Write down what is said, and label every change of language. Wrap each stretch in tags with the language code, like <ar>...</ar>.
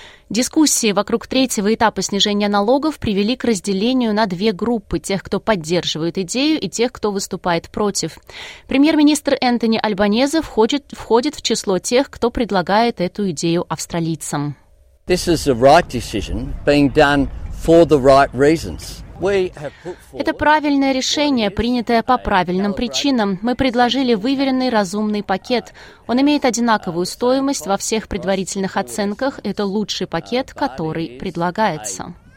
<ru>Дискуссии вокруг третьего этапа снижения налогов привели к разделению на две группы – тех, кто поддерживает идею, и тех, кто выступает против. Премьер-министр Энтони Альбанезе входит в число тех, кто предлагает эту идею австралийцам.</ru> <en>This is the right decision being done for the right reasons.</en> <ru>Это правильное решение, принятое по правильным причинам. Мы предложили выверенный разумный пакет. Он имеет одинаковую стоимость во всех предварительных оценках. Это лучший пакет, который предлагается.</ru>